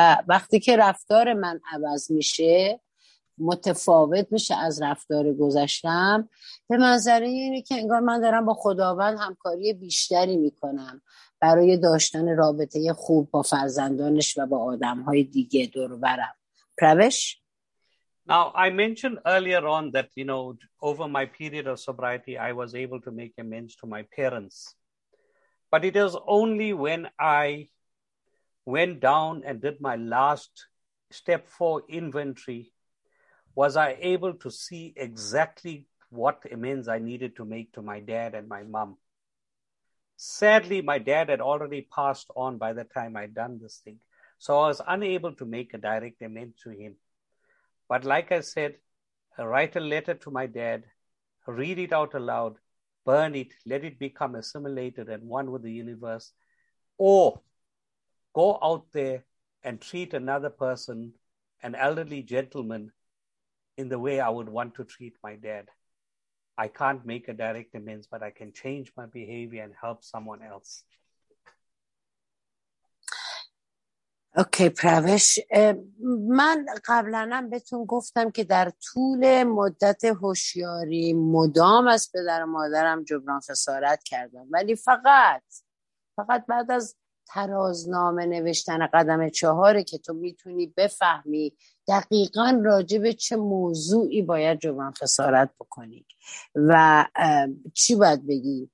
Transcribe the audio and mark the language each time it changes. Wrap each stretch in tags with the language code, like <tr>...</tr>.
<fa>و وقتی که رفتار من عوض میشه، متفاوت میشه از رفتار گذشتم، به منظره اینه که انگار من دارم با خداوند همکاری بیشتری میکنم برای داشتن رابطه خوب با فرزندانش و با آدم های دیگه دور و برم. پروش؟</fa> <en>Now, I mentioned earlier on that, you know, over my period of sobriety, I was able to make amends to my parents. But it was only when I went down and did my last step 4 inventory, was I able to see exactly what amends I needed to make to my dad and my mom. Sadly, my dad had already passed on by the time I'd done this thing. So I was unable to make a direct amend to him. But like I said, I write a letter to my dad, read it out aloud, burn it, let it become assimilated and one with the universe, or go out there and treat another person, an elderly gentleman, in the way I would want to treat my dad. I can't make a direct amends, but I can change my behavior and help someone else.</en> <fa>اوکی پروش، من قبلا هم بهتون گفتم که در طول مدت هوشیاری مدام از پدر و مادرم جبران خسارت کردم، ولی فقط بعد از ترازنامه نوشتن قدم 4 که تو میتونی بفهمی دقیقا راجع به چه موضوعی باید جبران خسارت بکنی و چی باید بگی.</fa>